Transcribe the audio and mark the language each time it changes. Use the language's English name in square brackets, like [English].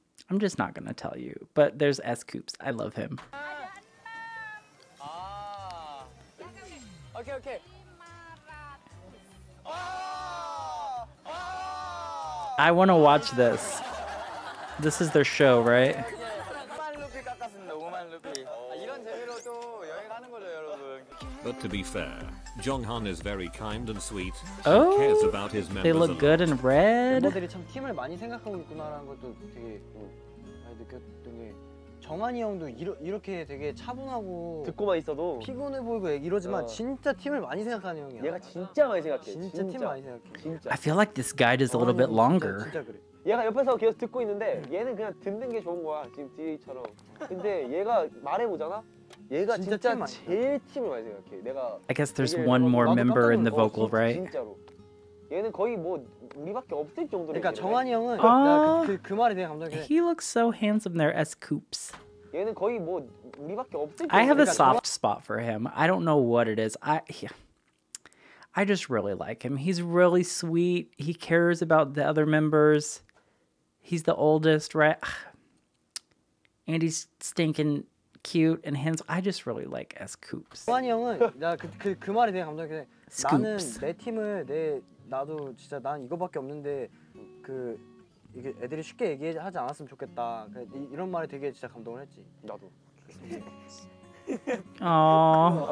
[English] I'm just not going to tell you, but there's S. Coops. I love him. Okay. I want to watch this. This is their show, right? [Korean] 이런 재미로도 여행하는 거죠, 여러분. [English] But to be fair, Jonghyun is very kind and sweet. Oh, he cares about his members. They look good in red. [Korean] 멤버들이 참 팀을 많이 생각하고 있구나라는 것도 되게 많이 느꼈던 게 정한이 형도 이렇게 되게 차분하고 듣고만 있어도 피곤해 보이고 이러지만 진짜 팀을 많이 생각하는 형이야. 얘가 진짜 많이 생각해. 진짜 팀 많이 생각해. 진짜. [English] I feel like this guy is a little bit longer. [Korean] 진짜 그래. 얘가 옆에서 계속 듣고 있는데 얘는 그냥 듣는 게 좋은 거야 지금 DA처럼. 근데 얘가 말해 보잖아. 얘가 진짜 제일 팀을 많이 생각해. 내가 [English] I guess there's one more member in the vocal, right? [Korean] 진짜로. 얘는 거의 뭐 우리밖에 없을 정도로. 그러니까 정한이 형은 그 말에 대한 감정이. [English] He looks so handsome there as Coops. [Korean] 얘는 거의 뭐 우리밖에 없을 정도로. [English] I have a soft spot for him. I don't know what it is. I just really like him. He's really sweet. He cares about the other members. He's the oldest, right? And he's stinking cute and handsome. I just really like S. Coops. [Korean] 정한이 형은 나 그 말에 대해 감정이 [English] Scoops. [Korean] 나는 내 팀을 내 나도 진짜 난 이거밖에 없는데 그 이게 애들이 쉽게 얘기하지 않았으면 좋겠다. 이런 말에 되게 진짜 감동을 했지. 나도. 아